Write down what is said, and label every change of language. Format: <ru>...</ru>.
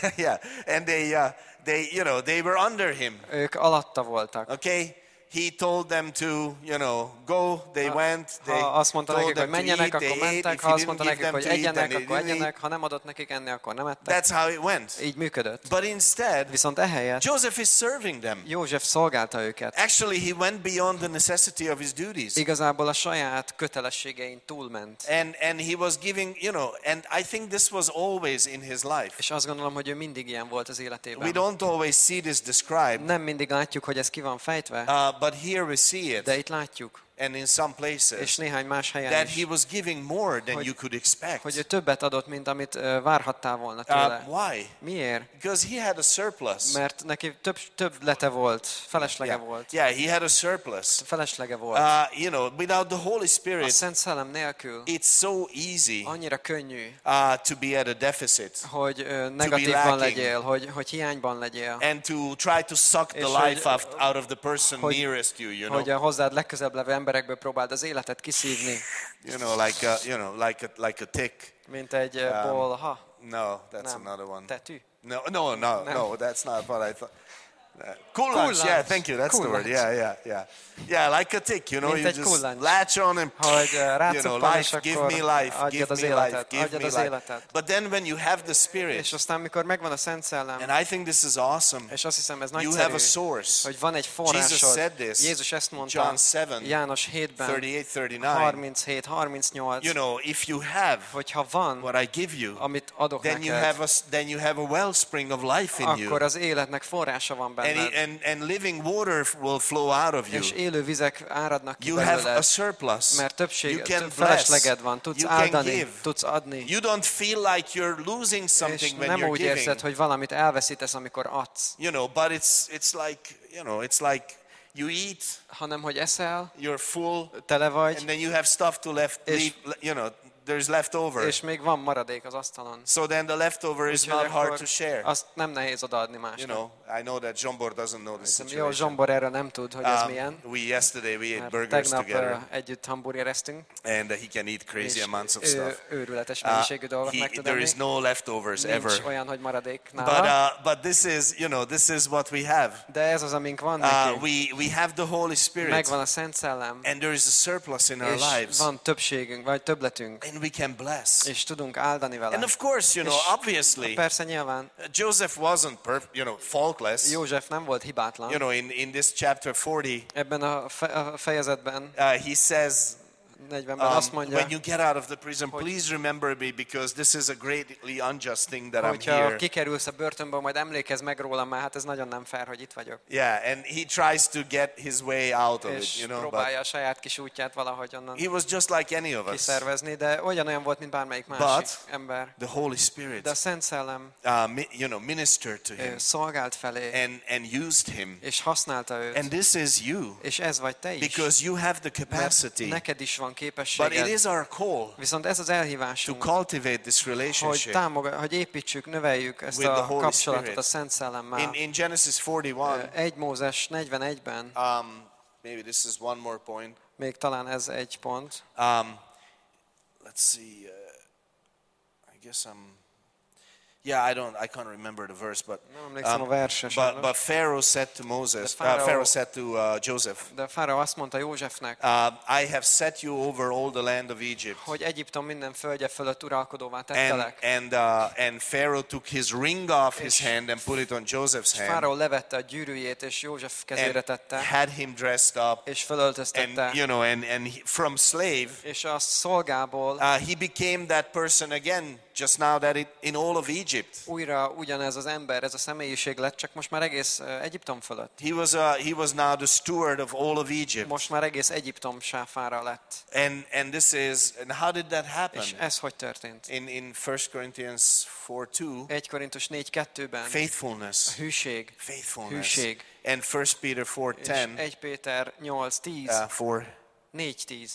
<en>Yeah, and they you know, they were under him.</en> <hu>Ők alatta voltak.</hu> <en>Okay, he told them to, you know, go, they went, they</en> <hu>azt mondta nekik, hogy menjenek, akkor mentek, ha azt mondta nekik, hogy egyenek, akkor egyenek, ha nem adott nekik enni, akkor nem ettek.</hu> <en>That's how it went.</en> <hu>Így működött.</hu> <en>But instead,</en> <hu>viszont ehelyett,</hu> <en>Joseph is serving them.</en> <hu>József szolgálta őket.</hu> <en>Actually, he went beyond the necessity of his duties.</en> <hu>Igazából a saját kötelességein túlment.</hu> <en>And he was giving, you know, and I think this was always in his life.</en> <hu>És azt gondolom, hogy ő mindig ilyen volt az életében.</hu> <en>We don't always see this described.</en> <hu>Nem mindig látjuk, hogy ez ki van fejtve.</hu> <en>But here we see it.</en> <hu>De itt látjuk.</hu> <en>And in some places,</en> <hu>és néhány más helyen</hu> <en>that is, he was giving more than you could expect.</en> <hu>Hogy ő többet adott, mint amit várhattál volna tőle.</hu> <en>Why?</en> <hu>Miért?</hu> <en>Because he had a surplus.</en> <hu>Mert neki többlete volt, feleslege volt.</hu> <en>Yeah, he had a surplus.</en> <hu>Feleslege volt.</hu> <en>You know, without the Holy Spirit,</en> <hu>a Szent Szellem nélkül,</hu> <en>it's so easy,</en> <hu>annyira könnyű,</hu> <en>to be at a deficit,</en> <hu>hogy negatívban legyél, hogy hiányban legyél,</hu> <en>and to try to suck the life out of the person nearest you, you know.</en> <hu>Hogy a hozzád legközelebb levő emberekből próbáld az életet kiszívni.</hu> <en>You know, like a, you know, like a tick.</en> <hu>Mint egy bolha.</hu> <en>No, that's nem. Another one.</en> <hu>Tetű.</hu> <en>No, that's not what I thought. Kullancs. Yeah, thank you. That's kullancs. The word. Yeah. Yeah, like a tick, you know,</en> <hu>mint</hu> <en>you just kullancs. Latch on and</en> <hu>hogy,</hu> <en>you know, life, give me life, give</en> <hu>az</hu> <en>me</en> <hu>életet,</hu> <en>life, give me</en> <hu>az</hu> <en>life.</en> <hu>Életet.</hu> <en>But then when you have the Spirit,</en> <hu>és aztán mikor megvan a Szent Szellem,</hu> <en>and I think this is awesome,</en> <hu>és azt hiszem, ez nagyszerű,</hu> <en>you have a source.</en> <hu>Hogy van egy forrásod.</hu> <en>Jesus said this,</en> <hu>Jézus ezt mondta,</hu> <en>John 7,</en> <hu>János 7-ben,</hu> <en>37-39, you know, if you have</en> <hu>hogyha van,</hu> <en>what I give you,</en> <hu>amit adok</hu> <en>then,</en> <hu>neked,</hu> <en>you have a wellspring of life in</en> <hu>akkor</hu> <en>you.</en> <hu>Az életnek forrása van benned.</hu> <en>And living water will flow out of you.</en> <hu>Élő vizek áradnak ki belőled.</hu> <en>You have a surplus.</en> <hu>Mert többség, felesleged van, tudsz áldani, tudsz adni.</hu> <en>You don't feel like you're losing something when</en> <hu>És nem úgy érzed, hogy valamit elveszítesz, amikor adsz.</hu> <en>You know, but it's like, you know, it's like you eat,</en> <hu>hanem hogy eszel,</hu> <en>you're full,</en> <hu>tele vagy,</hu> <en>and then you have stuff to left, you know, there's leftover.</en> <hu>És még van maradék az asztalon.</hu> <en>So then the leftover is not hard to share.</en> <hu>Azt nem nehéz odaadni másnak.</hu> <en>You know, I know that Zsombor doesn't know the situation.</en> <hu>Jó, Zsombor erre nem tud, hogy ez milyen.</hu> <en>We ate</en> <hu>mert</hu> <en>burgers</en> <hu>tegnap</hu> <en>together.</en> <hu>Együtt hamburgereztünk.</hu> <en>And he can eat crazy amounts of stuff.</en> <hu>Őrületes mennyiségű dolgot meg tud.</hu> <en>There is no leftovers</en> <hu>nincs</hu> <en>ever.</en> <hu>Nincs olyan, hogy maradék nála.</hu> <en>But this is, you know, this is what we have.</en> <hu>De ez az, amink van neki.</hu> <en>We have the Holy Spirit.</en> <hu>Megvan a Szent Szellem.</hu> <en>And there is a surplus in our lives.</en> <hu>Van többségünk, vagy többletünk.</hu> <en>And we can bless.</en> <hu>És tudunk áldani vele.</hu> <en>And of course, you know, obviously,</en> <hu>persze nyilván,</hu> <en>Joseph wasn't perfect, you know, faultless.</en> <hu>József nem volt hibátlan.</hu> <en>You know, in this chapter 40,</en> <hu>ebben a fejezetben,</hu> <en>he says,</en> <hu>40-ben azt mondja,</hu> <en>when you get out of the prison, please remember me because this is a greatly unjust thing that</en> <hu>hogyha</hu> <en>I'm here.</en> <hu>Kikerülsz a börtönből, majd emlékezz meg rólam, mert hát ez nagyon nem fair, hogy itt vagyok.</hu> <en>Yeah, and he tries to get his way out of</en> <hu>és</hu> <en>it, you know.</en> <hu>Próbálja a saját kis útját valahogy onnan.</hu> <en>He was just like any of us.</en> <hu>Kiszervezni, de olyan volt, mint bármelyik másik</hu> <en>but</en> <hu>ember.</hu> <en>The Holy Spirit.</en> <hu>De a Szent Szellem.</hu> <en>You know, ministered to him.</en> <hu>Szolgált felé.</hu> <en>And used him.</en> <hu>És használta őt.</hu> <en>And this is you.</en> <hu>És ez vagy te is.</hu> <en>Because you have the capacity.</en> <hu>Neked is van.</hu> <en>But it is our call.</en> <hu>Viszont ez az elhívásunk.</hu> <en>To cultivate this relationship.</en> <hu>Hogy hogy építsük, növeljük ezt a kapcsolatot a Szent Szellemmel.</hu> <en>In Genesis 41.</en> <hu>1 Mózes 41-ben.</hu> <en>Maybe this is one more point.</en> <hu>Még talán ez egy pont.</hu> <en>Let's see. I guess I'm I can't remember the verse, but but Pharaoh said to Moses, Pharaoh said to Joseph,</en> <hu>de Pharaoh azt mondta Józsefnek,</hu> <en>I have set you over all the land of Egypt.</en> <hu>Hogy Egyiptom minden földje fölött uralkodóvá tettelek.</hu> <en>And Pharaoh took his ring off his hand and put it on Joseph's hand.</en> <hu>Pharaoh levette a gyűrűjét és József kezére tette.</hu> <en>Had him dressed up.</en> <hu>És fölöltöztette.</hu> <en>And you know, and he, from slave,</en> <hu>és a szolgából,</hu> <en>he became that person again. just now that it in all of Egypt.</en> <hu>Újra ugyanez az ember, ez a személyiség lett, csak most már egész Egyiptom fölött.</hu> <en>He was now the steward of all of Egypt.</en> <hu>Most már egész Egyiptom sáfára lett.</hu> <en>And how did that happen?</en> <hu>És ez hogy történt?</hu> <en>In 1 Corinthians 4:2.</en> <hu>1 Korintus 4:2-ben.</hu> <en>Faithfulness.</en> <hu>A hűség.</hu> <en>Faithfulness.</en> <hu>Hűség.</hu> <en>And 1 Peter 4:10.</en> <hu>1 Péter 8:10. 4:10.</hu>